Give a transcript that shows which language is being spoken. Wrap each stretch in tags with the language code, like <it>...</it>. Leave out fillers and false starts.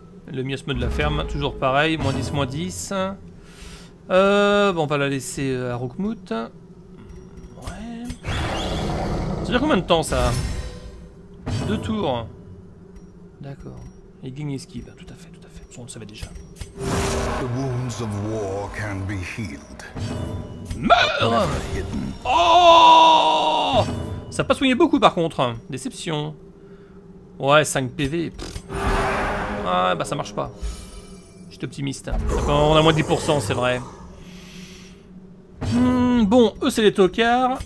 <fr>Le miasme de la ferme, toujours pareil, moins 10, moins 10. Bon, on va la laisser à Rookmoot. Ouais. Ça dure combien de temps ça? 2 tours. D'accord. Et gagne esquive, tout à fait, tout à fait. On le savait déjà.</fr> <en>The wounds of war can be healed.</en> <fr>Meurs! Oh! Ça n'a pas soigné beaucoup par contre. Déception. Ouais, 5 PV. Pff. Ah bah ça marche pas. J'étais optimiste. On a moins de 10%, c'est vrai. Bon, eux c'est les tocards.</fr>